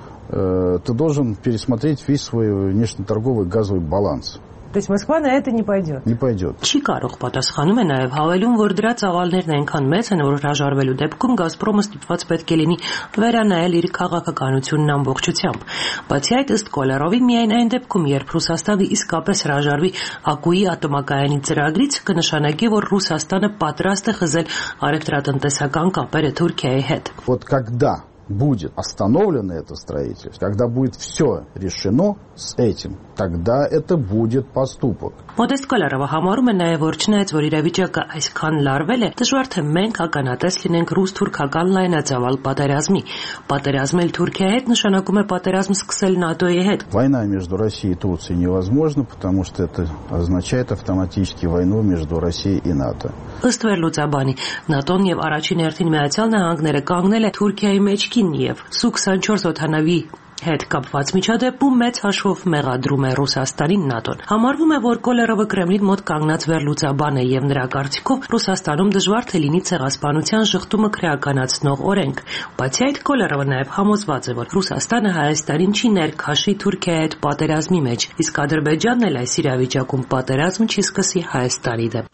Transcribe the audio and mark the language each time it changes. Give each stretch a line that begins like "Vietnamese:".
Russian: Ты должен пересмотреть весь свой внешнеторговый газовый баланс. То есть Москва на это не пойдет? Не пойдет.
Armenian: Չի կարող պատասխանում է նաև հավելում, որ դրա ծավալներն այնքան մեծ են, որ հրաժարվելու դեպքում Գազպրոմը ստիպված պետք է լինի վերանայել իր քաղաքականությունն ամբողջությամբ։ Բացի այդ, ըստ Կոլերովի, միայն այն դեպքում, երբ Ռուսաստանը իսկապես հրաժարվի ԱԿՈ-ի ատոմակայանի ծրագրից, կնշանակի, որ Ռուսաստանը պատրաստ է խզել առևտրատնտեսական կապերը Թուրքիայի հետ։
Russian: Вот когда будет остановлено это строительство, когда будет все решено с этим, тогда это будет поступок.
Armenian: Մոդես Կոլերովը համարում է նաև, որ չնայած որ իրավիճակը այսքան լարվել է, դժվար թե մենք ականատես լինենք ռուս-թուրքական լայնածավալ պատերազմի։ Պատերազմել Թուրքիայի հետ նշանակում է պատերազմ սկսել ՆԱՏՕ-ի հետ։
Russian: Война между Россией и Турцией невозможна, потому что это означает автоматически войну между Россией и ՆԱՏՕ։
Armenian: Ըստ Վերլուծաբանի, ՆԱՏՕ-ն եւ առաջին հերթին Միացյալ Նահանգները կանգնել է Թուրքիայի մեջքին եւ Սու-24 օթանավի հետ կապված միջադեպում մեծ հաշվով մեղադրում է Ռուսաստանին ՆԱՏՕ-ն։ Համարվում է, որ Կոլերովը Կրեմլին մոտ կանգնած վերլուծաբան է և նրա կարծիքով Ռուսաստանում դժվար թե լինի ցեղասպանության շղթումը քրեականացնող օրենք։ Բացի այդ, Կոլերովը նաև համոզված է, որ Ռուսաստանը Հայաստանին չի ներքաշի Թուրքիայի հետ պատերազմի մեջ, իսկ Ադրբեջանն էլ այս իրավիճակում պատերազմ չի սկսի Հայաստանի դեմ։